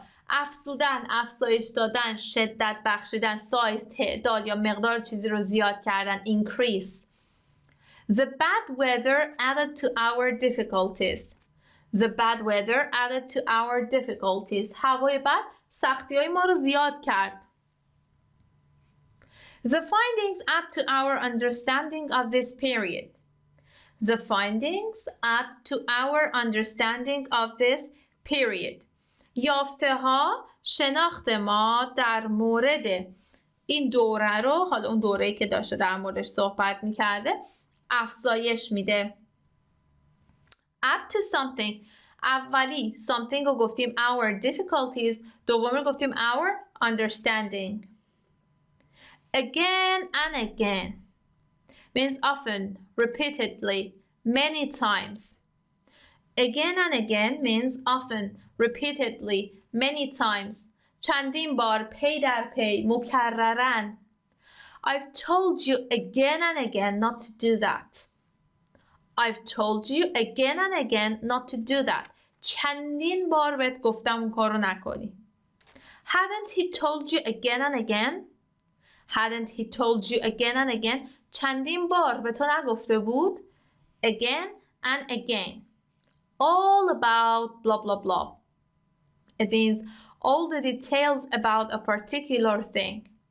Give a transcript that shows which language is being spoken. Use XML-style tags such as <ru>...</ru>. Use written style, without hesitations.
<fa>افزودن، افزایش دادن، شدت بخشیدن، سایز، تعداد یا مقدار چیزی رو زیاد کردن، increase.</fa> <en>The bad weather added to our difficulties. The bad weather added to our difficulties.</en> <fa>هوای بد سختی‌های ما رو زیاد کرد.</fa> <en>The findings add to our understanding of this period. The findings add to our understanding of this period.</en> <fa>یافته‌ها شناخت ما در مورد این دوره رو، حالا اون دوره‌ای که داشته در موردش صحبت می‌کرده، افزایش میده.</fa> <en>Add to something.</en> <fa>اولی</fa> <en>something</en> <fa>رو گفتیم</fa> <en>our difficulties.</en> <fa>دوم رو گفتیم</fa> <en>our understanding. Again and again means often, repeatedly, many times. Again and again means often, repeatedly, many times.</en> <fa>چندین بار، پی در پی، مکررن.</fa> <en>I've told you again and again not to do that. I've told you again and again not to do that.</en> <fa>چندین بار بهت گفتم اون کارو نکنی.</fa> <en>Hadn't he told you again and again? Hadn't he told you again and again?</en> <fa>چندین بار به تو نگفته بود؟</fa> <en>Again and again. All about blah blah blah. It means all the details about a particular thing.</en>